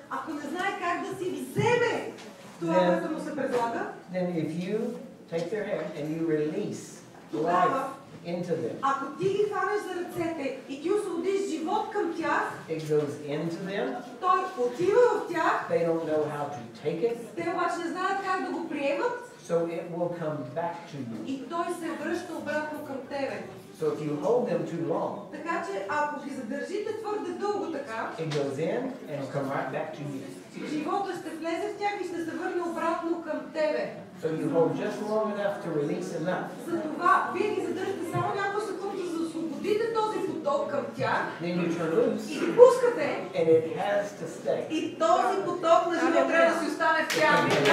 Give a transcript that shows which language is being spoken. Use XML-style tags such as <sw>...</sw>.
<bg>Ако не знае как да си вземе това, което му се предлага.</bg> <en>Then if you take their hand and you release life into them.</en> <bg>Ако ти ги хванеш за ръцете и ти освободиш живот към тях.</bg> <en>It goes into them.</en> <bg>Той отива в тях.</bg> <en>They don't know how to take it.</en> <bg>Те обаче не знаят как да го приемат.</bg> <en>So it will come back to you.</en> <bg>И той се връща обратно към тебе.</bg> <en>So if you hold them too long.</en> <bg>Така че ако ги задържите твърде дълго така.</bg> <en>It goes in and come right back to you.</en> <bg>Живота ще влезе в тях и ще се върне обратно към тебе.</bg> <en>So you hold just long enough to release enough.</en> <bg>Затова вие ги задържате само няколко секунди, за да освободите този поток към тях.</bg> <en>Then you turn loose.</en> <bg>И ги пускате.</bg> <en>And it has to stay.</en> <bg>И този поток на живота трябва да си остане в тях.</bg>